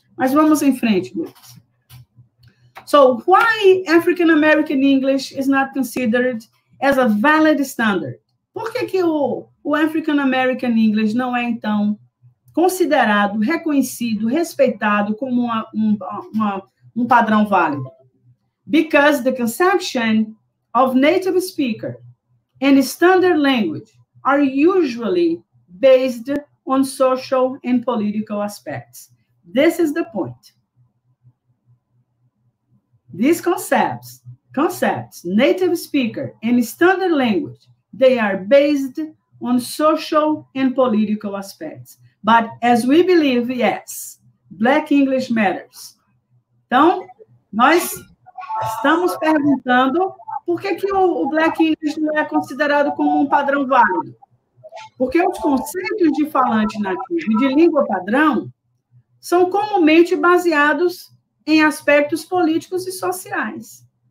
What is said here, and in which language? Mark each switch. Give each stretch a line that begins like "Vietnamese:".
Portuguese: Mas vamos em frente, Lucas.
English: So, why African-American English is not considered as a valid standard?
Portuguese: Por que que o African-American English não é, então, considerado, reconhecido, respeitado como um padrão válido?
English: Because the conception of native speaker and standard language are usually based on social and political aspects. This is the point. These concepts, native speaker and standard language, they are based on social and political aspects. But as we believe, yes, Black English matters.
Portuguese: Então, nós estamos perguntando por que que o Black English não é considerado como um padrão válido. Porque os conceitos de falante nativo e de língua padrão são comumente baseados em aspectos políticos e sociais.